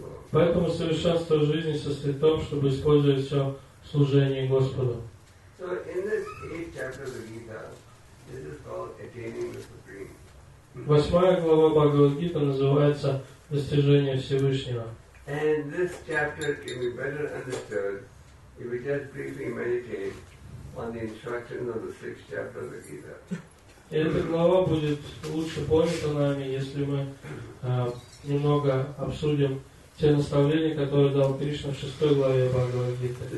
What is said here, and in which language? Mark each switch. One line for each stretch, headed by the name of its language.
Russian: Поэтому совершенство жизни состоит в том, чтобы использовать все в служении Господу.
English: So in this eighth chapter of the Gita, this is called attaining the Supreme.
Russian: Восьмая глава Бхагавад-гита называется «Достижение Всевышнего».
English: And this chapter can be better understood if we just briefly meditate on the instructions of the sixth chapter of the Gita.
Russian: Эта глава будет лучше понята нами, если мы немного обсудим те наставления, которые дал Кришна в шестой главе Бхагавад-гиты.